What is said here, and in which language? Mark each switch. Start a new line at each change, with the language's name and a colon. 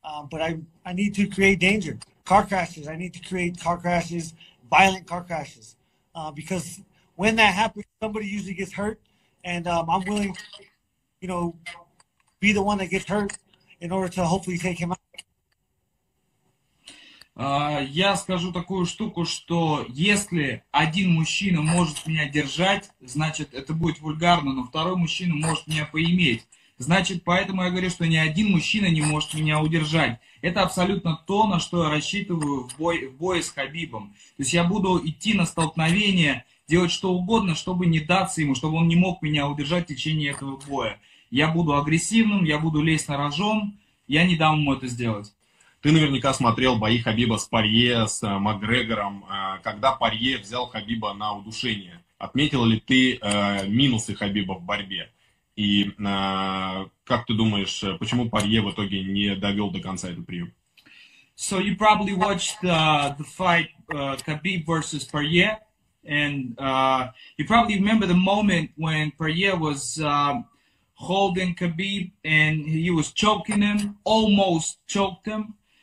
English: But I need to create danger. Car crashes. I need to create car crashes, violent car crashes. Because when that happens, somebody usually gets hurt. And I'm willing to, you know, be the one that gets hurt in order to hopefully take him out.
Russian: Я скажу такую штуку, что если один мужчина может меня держать, значит, это будет вульгарно, но второй мужчина может меня поиметь. Значит, поэтому я говорю, что ни один мужчина не может меня удержать. Это абсолютно то, на что я рассчитываю в бое с Хабибом. То есть я буду идти на столкновение, делать что угодно, чтобы не даться ему, чтобы он не мог меня удержать в течение этого боя. Я буду агрессивным, я буду лезть на рожон, я не дам ему это сделать. Ты наверняка смотрел бои Хабиба с Порье, с Макгрегором, когда Порье взял Хабиба на удушение. Отметил ли ты минусы Хабиба в борьбе? И как ты думаешь, почему Порье в итоге не довел до конца этот прием?
English: So you probably watched the fight Khabib versus Porye, and you probably remember the moment when Porye was holding Khabib and he was choking him, almost choked him.